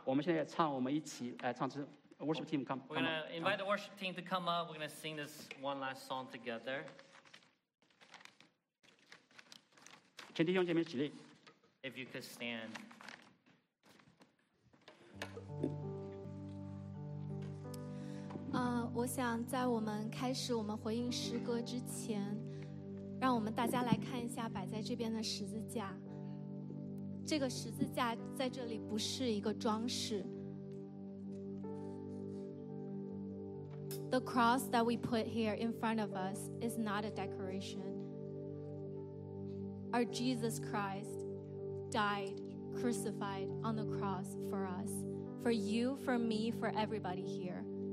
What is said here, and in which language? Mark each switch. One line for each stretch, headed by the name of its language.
Chinese: 我们现在唱，我们一起来唱这
English: worship team come. We're gonna invite the worship team to come up. We're gonna sing this one last song together.
Chinese: 请弟兄姐妹起立。
English: If you could stand.
Chinese: 我想在我们开始我们回应诗歌之前，让我们大家来看一下摆在这边的十字架。这个十字架在这里不是一个装饰。
English: The cross that we put here in front of us is not a decoration. Our Jesus Christ died, crucified on the cross for us, for you, for me, for everybody here.